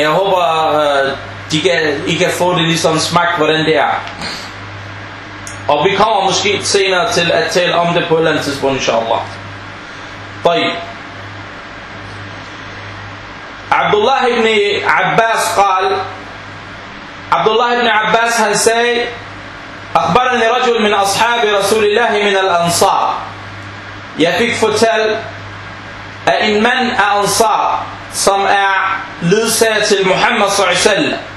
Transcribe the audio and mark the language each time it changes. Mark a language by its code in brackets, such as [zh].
[da] Jeg håber, I kan få det ligesom smagt, hvordan det er. Og vi kommer måske senere til at tale om det på et eller andet tidspunkt, inshallah. Tøj. [ar] Abdullah ibn Abbas قال. Abdullah ibn Abbas [da] han sagde, [ar] أخبرني رجل من أصحاب رسول الله من الأنصار. [da] Jeg fik fortalt, at en mand af Ansar, som er ledsager til Muhammad s.a.v.